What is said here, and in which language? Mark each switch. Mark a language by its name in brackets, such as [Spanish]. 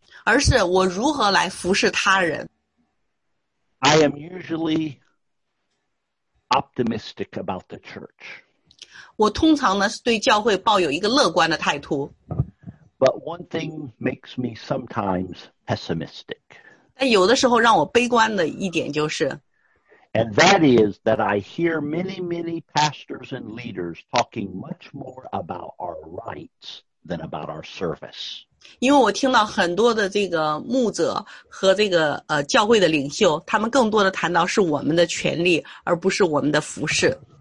[Chinese] 而是我如何来服侍他人。 [English] I am usually... optimistic about the church. [Chinese] 我通常呢是对教会抱有一个乐观的态度。 [English] But one thing makes me sometimes pessimistic. [Chinese] 但有的时候让我悲观的一点就是。 [English] And that is that I hear many, many pastors and leaders talking much more about our rights than about our service. [Chinese] 因为我听到很多的这个牧者和这个教会的领袖，他们更多的谈到是我们的权利，而不是我们的服侍。